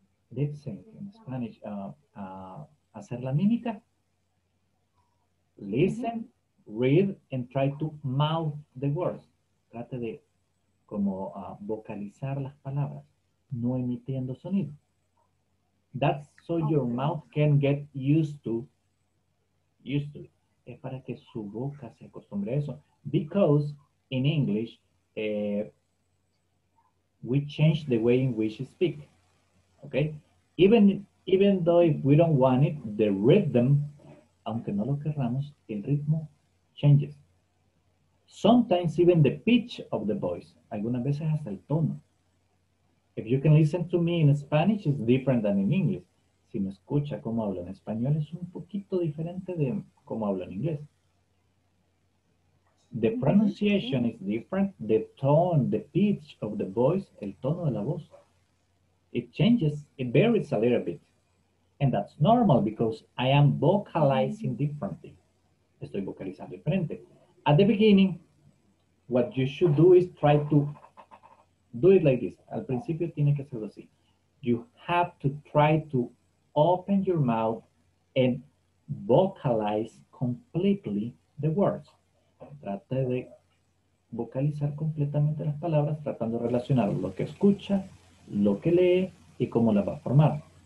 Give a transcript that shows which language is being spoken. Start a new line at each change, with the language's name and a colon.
English: Lip sync en Spanish.
Spanish: ¿Hacer la mímica?
English: Listen. Read and try to mouth the words.
Spanish: Trate de como vocalizar las palabras, no emitiendo sonido.
English: That's so your mouth can get used to.
Spanish: Es para que su boca se acostumbre a eso.
English: Because in English, we change the way in which we speak. Okay? Even though if we don't want it, the rhythm,
Spanish: aunque no lo querramos, el ritmo
English: changes. Sometimes even the pitch of the voice.
Spanish: Algunas veces hasta el tono.
English: If you can listen to me in Spanish, it's different than in English.
Spanish: Si me escucha cómo hablo en español, es un poquito diferente de cómo hablo en inglés.
English: The pronunciation is different. The tone, the pitch of the voice,
Spanish: el tono de la voz.
English: It changes. It varies a little bit. And that's normal because I am vocalizing differently.
Spanish: Estoy vocalizando diferente.
English: At the beginning, what you should do is try to do it like this.
Spanish: Al principio tiene que hacerlo así.
English: You have to try to open your mouth and vocalize completely the words.
Spanish: Trate de vocalizar completamente las palabras tratando de relacionar lo que escucha, lo que lee y cómo las va a formar.